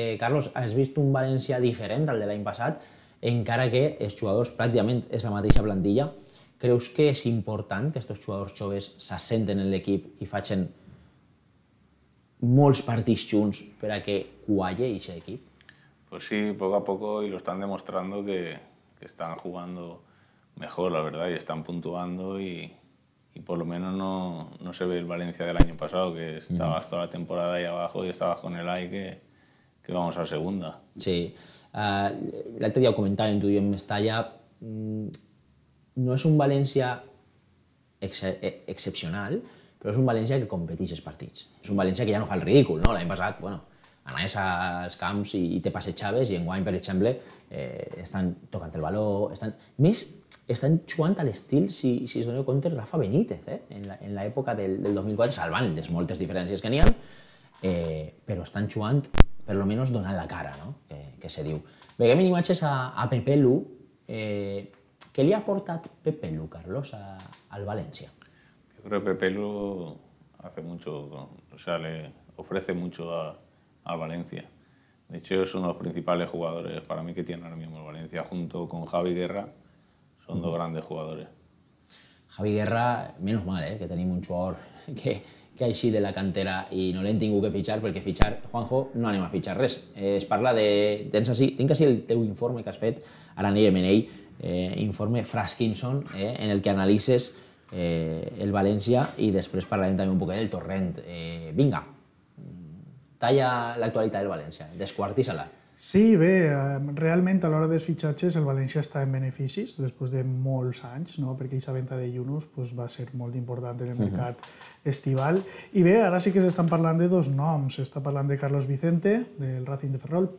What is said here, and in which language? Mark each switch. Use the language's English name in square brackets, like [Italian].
[Catalan] Carlos, has vist un València diferent al de l'any passat, encara que els jugadors pràcticament és la mateixa plantilla. Creus que és important que aquests jugadors joves s'assenten en l'equip i facin molts partits junts per a que qualle aquest equip? [Spanish] Pues sí, poco a poco, y lo están demostrando que están jugando mejor, la verdad, y están puntuando y por lo menos no se ve el Valencia del año pasado, que estabas toda la temporada ahí abajo y estabas con el AI que vamos a segunda. Sí, el otro día comentaba en tu video en Mestalla, no es un Valencia excepcional, pero es un Valencia que [Catalan] competís els partits. [Spanish] Es un Valencia que ya no [Catalan] fa el ridícul, [Spanish] ¿no? [Catalan] L'any passat, bueno, anaves als camps i te passejaves, i enguany, per exemple, estan tocant el baló, estan... Més, estan jugant a l'estil, si us doneu compte, Rafa Benítez, en l'època del 2004, salvant les moltes diferències que n'hi ha, però estan jugant, per lo menos, donant la cara, no?, que se diu. Veiem imatges a Pepe Lu. Què li ha aportat Pepe Lu, Carlos, al València? [Spanish] Yo creo que Pepe Lu hace mucho, o sea, le ofrece mucho al Valencia. De hecho, es uno de los principales jugadores para mí que tiene ahora mismo el Valencia, junto con Javi Guerra, son dos grandes jugadores. Javi Guerra, menos mal, que tenemos un jugador que hay sí de la cantera y no le tengo que fichar, porque fichar, Juanjo, no anima a fichar res. [Catalan] Es parla de... Tienes así el teu informe que has fet, ahora anirem en ell, informe Fraskinson, en el que analices el Valencia, y después parlarem también un poco del Torrent. Vinga. Talla l'actualitat del València, desquartissa-la. Sí, bé, realment a l'hora dels fitxatges el València està en beneficis després de molts anys, no? Perquè aquesta venda de Yunus, pues, va ser molt important en el mercat estival. I bé, ara sí que s'estan parlant de dos noms. S'està parlant de Carlos Vicente, del Racing de Ferrol.